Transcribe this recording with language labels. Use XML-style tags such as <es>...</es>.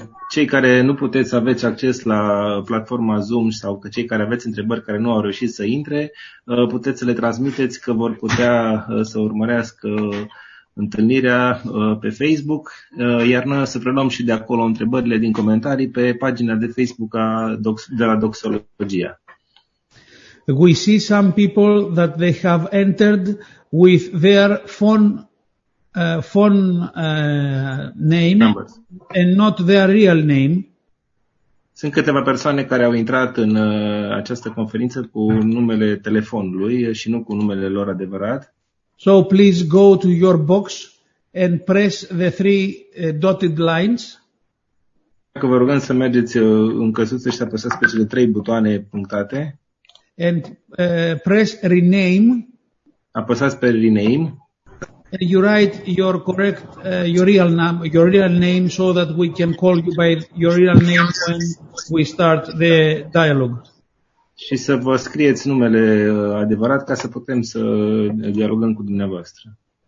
<ro>Cei care nu puteți aveți acces la platforma Zoom sau că cei care aveți întrebări care nu au reușit să intre, puteți să le transmiteți că vor putea să urmărească întâlnirea pe Facebook, iar noi o să preluăm și de acolo întrebările din comentarii pe pagina de Facebook de la Doxologia.</ro> <en>We see some people that they have entered with their phone name numbers and not their real name.</en> <ro>Sunt câteva persoane care au intrat în această conferință cu numele telefonului și nu cu numele lor adevărat.</ro> <en>So please go to your box and press the 3 dotted lines.</en> <ro>Dacă vă rugăm să mergeți în căsuță și să apăsați pe cele 3 butoane punctate</ro> <en>and press rename.</en> <ro>Apăsați pe rename.</ro> <en>You write your correct your real name so that we can call you by your real name when we start the dialogue.</en> <ro>Și să vă scrieți numele adevărat ca să putem să dialogăm cu dumneavoastră.</ro>